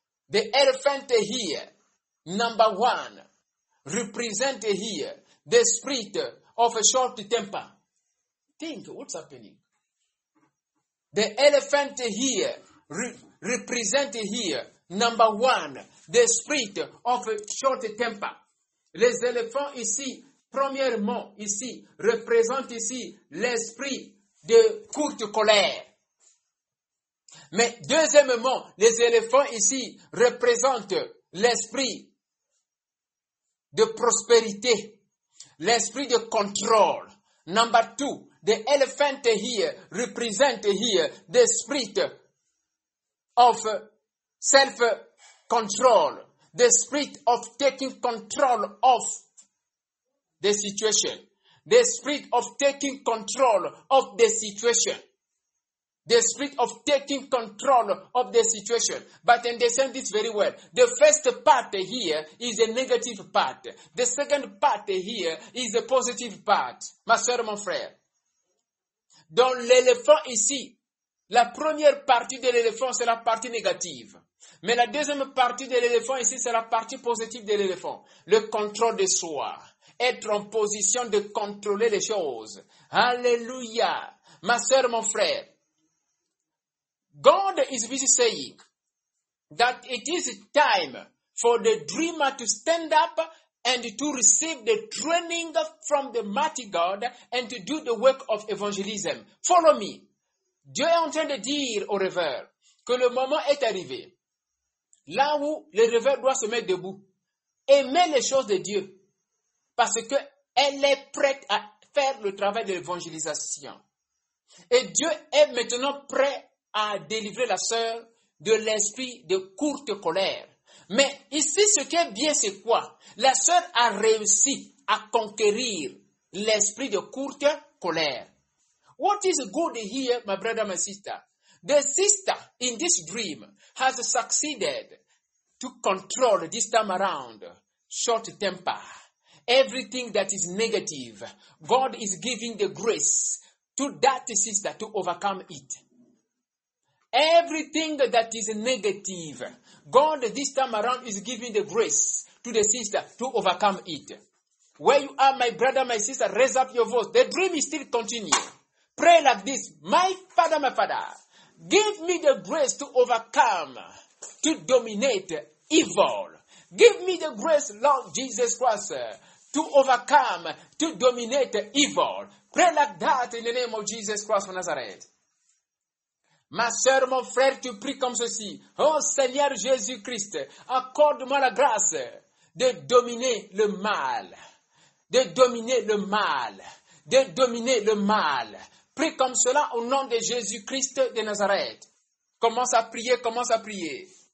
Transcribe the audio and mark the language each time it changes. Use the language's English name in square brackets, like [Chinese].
[English] The elephant here, number one, represent here the spirit of a short temper. Think, what's happening? The elephant here, represent here, number one, the spirit of a short temper. [French] Les éléphants ici, premièrement ici, représentent ici l'esprit de courte colère. Mais deuxièmement, les éléphants ici représentent l'esprit de prospérité, l'esprit de contrôle. [English] Number two, the elephant here represents here the spirit of self-control, the spirit of taking control of the situation, the spirit of taking control of the situation. The spirit of taking control of the situation. But understand this very well. The first part here is a negative part. The second part here is a positive part. [French] Ma soeur, mon frère. Dans l'éléphant ici, la première partie de l'éléphant, c'est la partie négative. Mais la deuxième partie de l'éléphant ici, c'est la partie positive de l'éléphant. Le contrôle de soi. Être en position de contrôler les choses. Alléluia. Ma soeur, mon frère. [English] God is busy saying that it is time for the dreamer to stand up and to receive the training from the mighty God and to do the work of evangelism. Follow me. [French] Dieu est en train de dire au rêveur que le moment est arrivé. Là où le rêveur doit se mettre debout, aimer les choses de Dieu parce qu'elle est prête à faire le travail de l'évangélisation. Et Dieu est maintenant prêt à délivrer la sœur de l'esprit de courte colère. Mais ici, ce qui est bien, c'est quoi? La sœur a réussi à conquérir l'esprit de courte colère. [English] What is good here, my brother, my sister? The sister in this dream has succeeded to control this time around short temper. Everything that is negative, God is giving the grace to that sister to overcome it. Everything that is negative, God this time around is giving the grace to the sister to overcome it. Where you are, my brother, my sister, raise up your voice. The dream is still continuing. Pray like this. My father, give me the grace to overcome, to dominate evil. Give me the grace, Lord Jesus Christ, to overcome, to dominate evil. Pray like that in the name of Jesus Christ of Nazareth. [French] Ma sœur, mon frère, tu pries comme ceci. Oh Seigneur Jésus-Christ, accorde-moi la grâce de dominer le mal. De dominer le mal. De dominer le mal. Prie comme cela au nom de Jésus-Christ de Nazareth. Commence à prier, commence à prier.